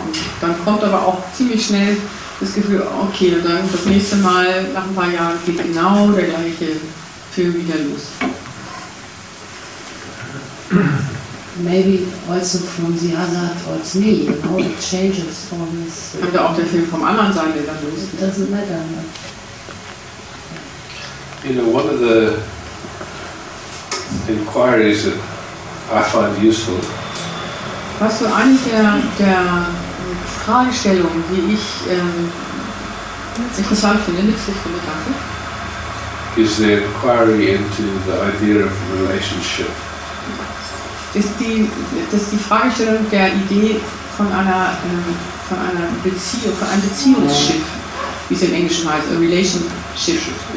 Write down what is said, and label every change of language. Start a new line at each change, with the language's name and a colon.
German: Und dann kommt aber auch ziemlich schnell das Gefühl, okay, und dann das nächste Mal nach ein paar Jahren geht genau der gleiche Film wieder los.
English: Maybe also from the other towards me, you know, it changes from this.
German: Kommt ja auch der Film vom anderen Seite dann los.
English: It doesn't matter. You know, one of the inquiries that I find useful.
German: Was so eine der Fragestellungen, die ich interessant finde, nützlich finde, danke.
English: Is the inquiry into the idea of relationship.
German: Ist die Fragestellung der Idee von einer Beziehung, von einem Beziehungsschiff, wie es im Englischen heißt,
English: a relationship.